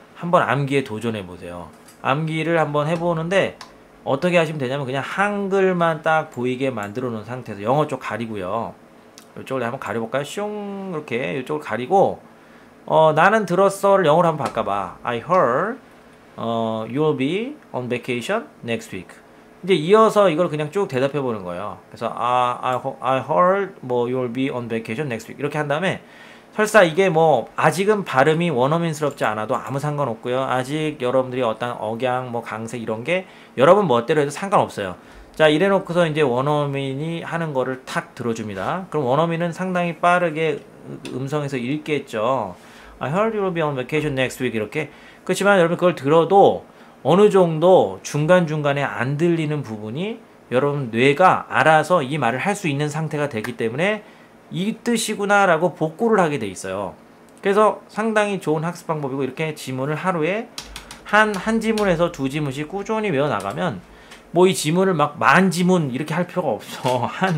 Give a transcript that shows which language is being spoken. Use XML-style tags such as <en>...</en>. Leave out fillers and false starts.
<ko>한번 암기에 도전해 보세요. 암기를 한번 해보는데 어떻게 하시면 되냐면 그냥 한글만 딱 보이게 만들어 놓은 상태에서 영어 쪽 가리고요. 이쪽을 한번 가려볼까요? 슝 이렇게 이쪽을 가리고 나는 들었어를 영어로 한번 바꿔봐.</ko> <en>I heard you'll be on vacation next week.</en> <ko>이제 이어서 이걸 그냥 쭉 대답해 보는 거예요. 그래서</ko> <en>I heard</en> <ko>뭐</ko> <en>you'll be on vacation next week</en> <ko>이렇게 한 다음에 설사 이게 뭐 아직은 발음이 원어민스럽지 않아도 아무 상관 없고요. 아직 여러분들이 어떤 억양 뭐 강세 이런 게 여러분 멋대로 해도 상관 없어요. 자 이래 놓고서 이제 원어민이 하는 거를 탁 들어줍니다. 그럼 원어민은 상당히 빠르게 음성에서 읽겠죠.</ko> <en>I heard you'll be on vacation next week</en> <ko>이렇게. 그렇지만 여러분 그걸 들어도 어느 정도 중간중간에 안 들리는 부분이 여러분 뇌가 알아서 이 말을 할 수 있는 상태가 되기 때문에 이 뜻이구나 라고 복구를 하게 돼 있어요. 그래서 상당히 좋은 학습 방법이고 이렇게 지문을 하루에 한 지문에서 두 지문씩 꾸준히 외워 나가면 뭐 이 지문을 막 만 지문 이렇게 할 필요가 없어.</ko>